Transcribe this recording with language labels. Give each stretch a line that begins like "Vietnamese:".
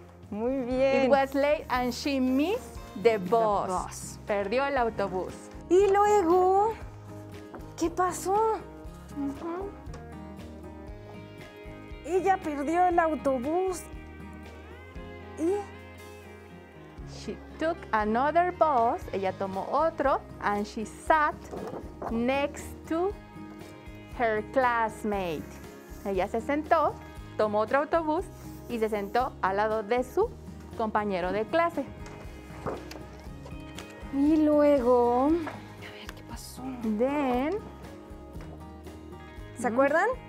Spanish: Muy bien.
English: It was late and she missed the bus.
Spanish: Perdió el autobús. Y luego, ¿qué pasó? Ella perdió el autobús. ¿Y?
English: She took another bus.
Spanish: Ella tomó otro.
English: And she sat next to her classmate.
Spanish: Ella se sentó, tomó otro autobús y se sentó al lado de su compañero de clase. Y luego, a ver, ¿qué pasó?
English: Then,
Spanish: ¿se acuerdan?